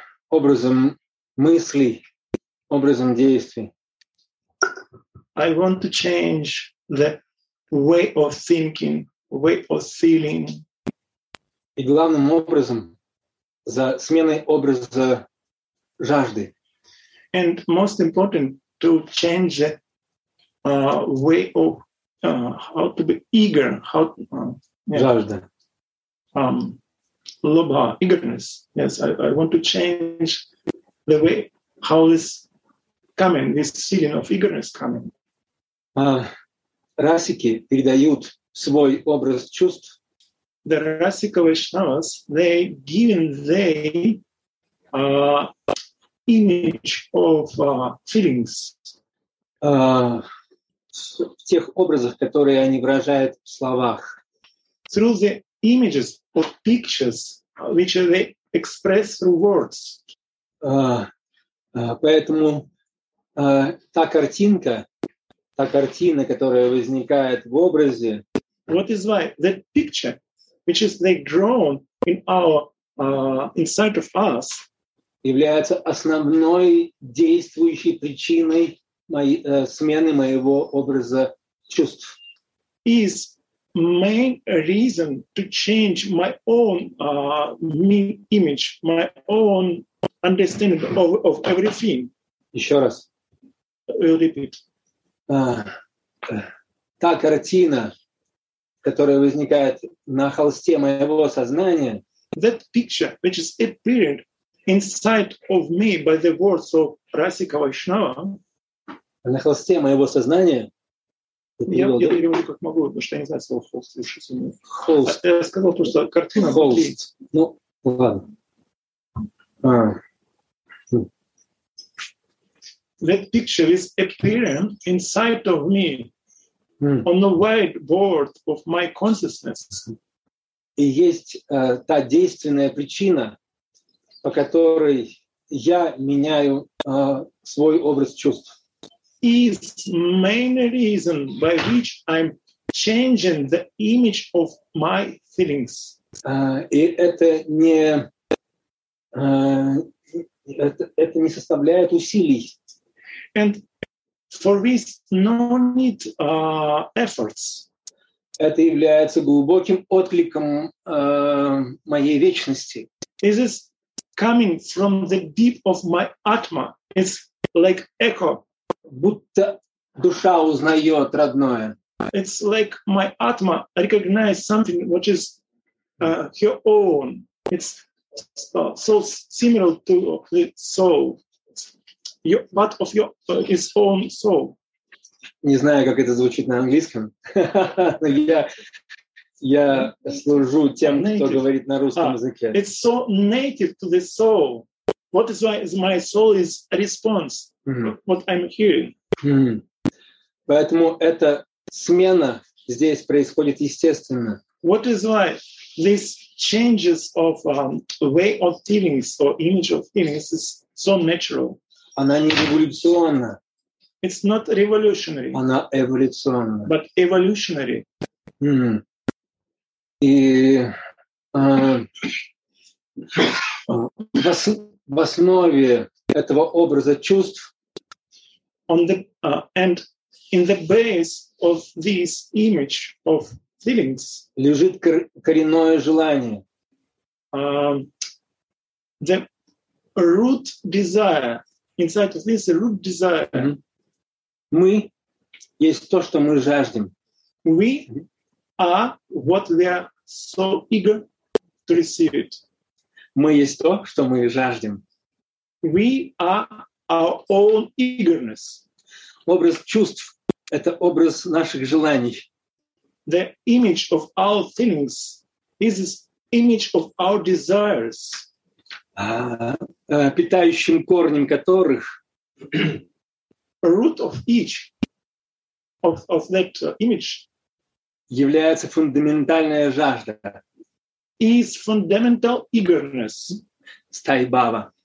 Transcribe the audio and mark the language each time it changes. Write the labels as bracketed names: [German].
[Russian] Образом мыслей, образом действий. [English] I want to change the way of thinking, way of feeling. [Russian] И главным образом за сменой образа жажды. [English] And most important to change the way of how to be eager, how [Russian] жажда. [English] Лоба, eagerness. Yes, I want to change the way how this coming, this feeling of eagerness coming. [Russian] Расики передают свой образ чувств. [English] The Rasika Vaishnavas, they given their image of feelings. [Russian] В тех образах, которые они выражают в словах. [English] Through the images or pictures, which they express through words. [Russian] Поэтому та картина, которая возникает в образе. [English] What is why that picture, which is they drawn in our inside of us, [Russian] является основной действующей причиной смены моего образа чувств. [English] Is main reason to change my own image, my own understanding of everything. [Russian] Еще раз. [English] I'll repeat. [Russian] Та картина, которая возникает на холсте моего сознания. That picture which is appeared inside of me by the words of Rasika Vaishnava. На холсте моего сознания. Я перевожу как могу, потому что я не знаю слово холст. Холст. Я сказал то, что картина. Холст. Ну, ладно. [English] That picture is appearing inside of me on the white board of my consciousness. [Russian] и есть та действенная причина, по которой я меняю свой образ чувств. [English] Is main reason by which I'm changing the image of my feelings. [Russian] И это не составляет усилий. [English] And for this no need efforts. [Russian] Это является глубоким откликом моей вечности. [English] This is coming from the deep of my atma. It's like echo. [Russian] Будто душа узнает родное. [English] It's like my atma recognizes something which is her own. It's so similar to the soul. Your part of your his own soul. [Russian] Не знаю, как это звучит на английском. я служу тем, native. Кто говорит на русском языке. [English] It's so native to the soul. What is why is my soul is a response. Mm-hmm. What I'm hearing. Mm-hmm. [Russian] Поэтому эта смена здесь происходит естественно. [English] What is why these changes of way of feelings or image of feelings is so natural. [Russian] Она не революционна. [English] It's not revolutionary. [Russian] Она эволюционна. [English] But evolutionary. Mm-hmm. [Russian] И в основе этого образа чувств [English] on the and in the base of this image of feelings [Russian] лежит коренное желание. [English] The root desire inside of this root desire. Mm-hmm. [Russian] Мы есть то, что мы жаждем. [English] We are what we are so eager to receive it. [Russian] Мы есть то, что мы жаждем. [English] We are our own eagerness. [Russian] Образ чувств — это образ наших желаний. [English] The image of our feelings is the image of our desires. [Russian] Питающим корнем которых [English] root of each of that image [Russian] является фундаментальная жажда. [English] Is fundamental eagerness. [Russian] Стайбава.